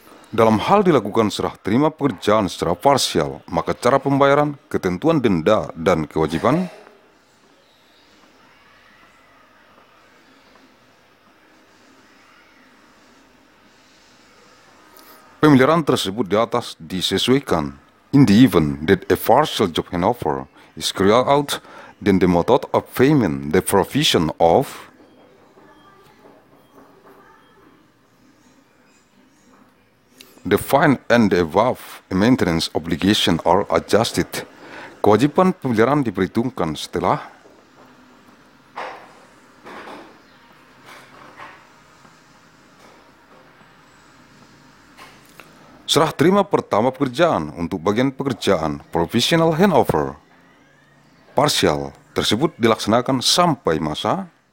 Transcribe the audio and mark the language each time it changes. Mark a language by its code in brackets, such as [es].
[id] Dalam hal dilakukan serah terima pekerjaan secara parsial, maka cara pembayaran, ketentuan denda dan kewajiban pemeliharaan tersebut di atas disesuaikan. [en] In the event that a partial job handover is carried out, then the method of payment, the provision of the fine and the above maintenance obligation are adjusted. [id] Kewajiban pembeliharaan diperhitungkan setelah serah terima pertama pekerjaan untuk bagian pekerjaan provisional handover parsial tersebut dilaksanakan sampai masa